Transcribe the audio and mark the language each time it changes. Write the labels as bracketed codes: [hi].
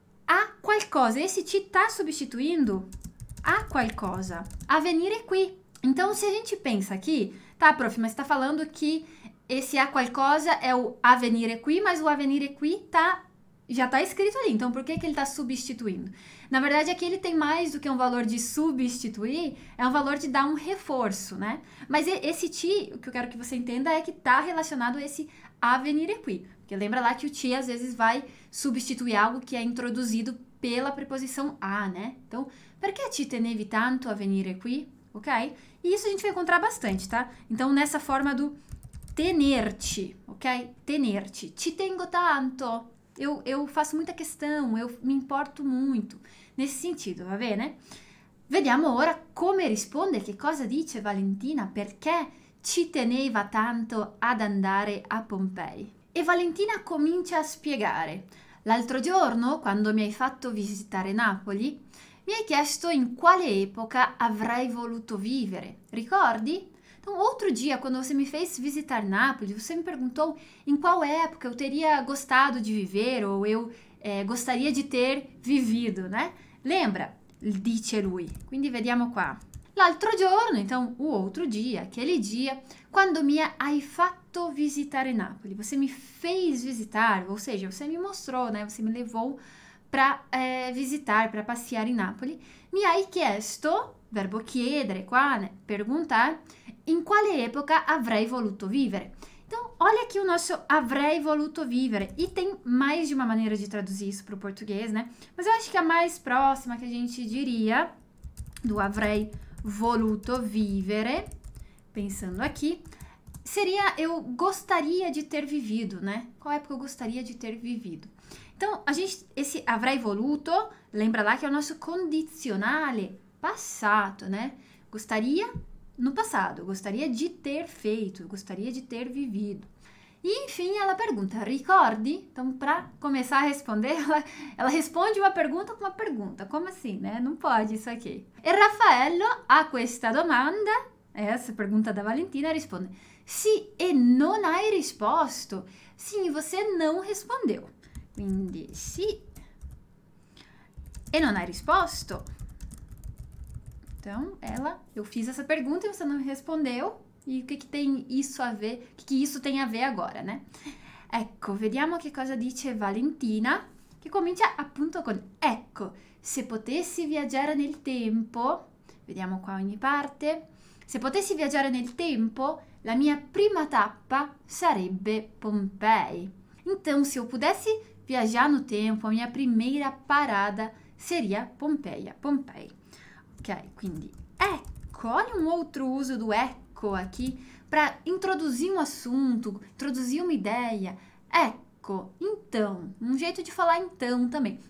[it] a qualcosa, [pt] esse te está substituindo [it] a qualcosa, a venire qui. [pt] Então, se a gente pensa aqui, tá, prof, mas você está falando que esse a qualcosa é o [it] a venire qui, [pt] mas o a venire qui tá, já está escrito ali, então por que, que ele está substituindo? Na verdade, aqui ele tem mais do que um valor de substituir, é um valor de dar um reforço, né? Mas esse ti, o que eu quero que você entenda é que está relacionado a esse a venire qui. Porque lembra lá que o ti, às vezes, vai substituir algo que é introduzido pela preposição a, né? [it] Então, perché ti tenevi tanto a venire qui? Ok? [pt] E isso a gente vai encontrar bastante, tá? Então, nessa forma do tenerti, ok? Tenerti. [it] Ti tengo tanto. [pt] Eu faço muita questão, eu me importo muito. Nesse sentido, [it] va bene? Vediamo ora come risponde, che cosa dice Valentina, perché ci teneva tanto ad andare a Pompei. E Valentina comincia a spiegare. L'altro giorno, quando mi hai fatto visitare Napoli, mi hai chiesto in quale epoca avrei voluto vivere. Ricordi? [pt] Então, outro dia, quando você me fez visitar Nápoles, você me perguntou em qual época eu teria gostado de viver ou eu gostaria de ter vivido, né? Lembra? [it] Dice lui. Quindi, vediamo qua. L'altro giorno, [pt] então, o outro dia, aquele dia, [it] quando mi hai fatto visitare [pt] Nápoles, você me fez visitar, ou seja, você me mostrou, né? Você me levou para visitar, para passear em Nápoles. [it] Mi hai chiesto, verbo chiedere qua, né? Perguntar. In quale epoca avrei voluto vivere? [pt] Então, olha aqui o nosso [it] avrei voluto vivere. [pt] E tem mais de uma maneira de traduzir isso para o português, né? Mas eu acho que a mais próxima que a gente diria do [it] avrei voluto vivere, [pt] pensando aqui, seria eu gostaria de ter vivido, né? Qual época eu gostaria de ter vivido? Então, a gente, esse avrei voluto, lembra lá que é o nosso [it] condizionale passato, [pt] né? Gostaria... No passado, gostaria de ter feito, gostaria de ter vivido. E, enfim, ela pergunta, [it] ricordi? [pt] Então, para começar a responder, ela responde uma pergunta com uma pergunta. Como assim, né? Não pode isso aqui. [it] E Raffaello a questa domanda, [pt] essa pergunta da Valentina, responde, [it] sì, e non hai risposto. [pt] Sim, você não respondeu. [it] Quindi, sì, e non hai risposto. [pt] Então, eu fiz essa pergunta e você não respondeu. E o que, que tem isso a ver? O que, que isso tem a ver agora, né? [it] Ecco, vediamo che cosa dice Valentina, che comincia appunto con ecco, se potessi viaggiare nel tempo, vediamo qua ogni parte. Se potessi viaggiare nel tempo, la mia prima tappa sarebbe Pompei. [pt] Então, se eu pudesse viajar no tempo, a minha primeira parada seria Pompei. Ok, [it] quindi ecco, [pt] olha um outro uso do ecco aqui para introduzir um assunto, introduzir uma ideia. Ecco, então, um jeito de falar então também.